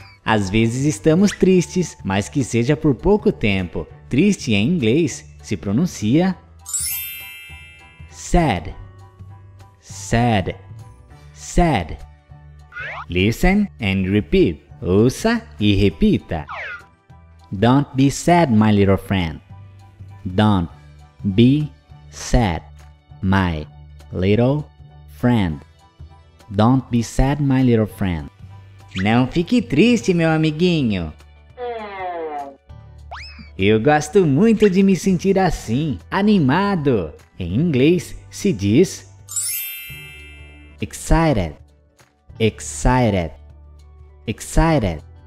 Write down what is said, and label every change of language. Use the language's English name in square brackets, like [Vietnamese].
[Portuguese] Às vezes estamos tristes, mas que seja por pouco tempo. Triste em inglês se pronuncia sad, sad, sad. [English] Listen and repeat. [Portuguese] Ouça e repita. [English] Don't be sad, my little friend. Don't be sad, my little friend. Don't be sad, my little friend. [Portuguese] Não fique triste, meu amiguinho. Eu gosto muito de me sentir assim, animado. Em inglês, se diz excited, excited, excited.